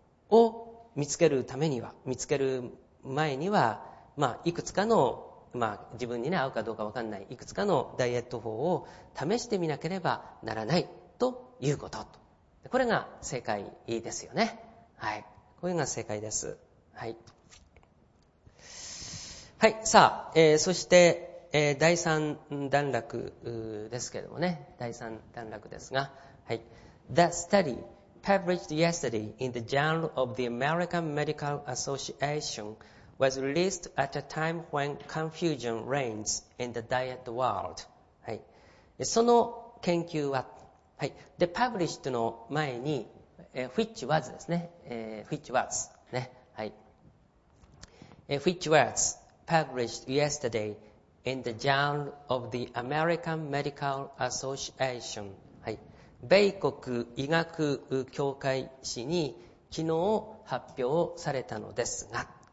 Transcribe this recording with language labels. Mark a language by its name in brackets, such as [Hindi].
[Japanese] を見つけるためには、見つける前にはまあいくつかの、まあ自分にね合うかどうか分かんないいくつかのダイエット法を試してみなければならないということと、これが正解ですよね。はい、これが正解です。はいはい、さあ、そして、第三段落ですけどもね、第三段落ですが、はい、 [English] The study published yesterday in the Journal of the American Medical Association was released at a time when confusion reigns in the diet world。 [Japanese] はい、その研究は、はい、で、published の前に、 [English] which was [Japanese] ですね、which was ね、はい、which was。 [English] Published yesterday in the Journal of the American Medical Association、はい、 [Japanese] 米国医学協会誌に昨日発表されたのですが、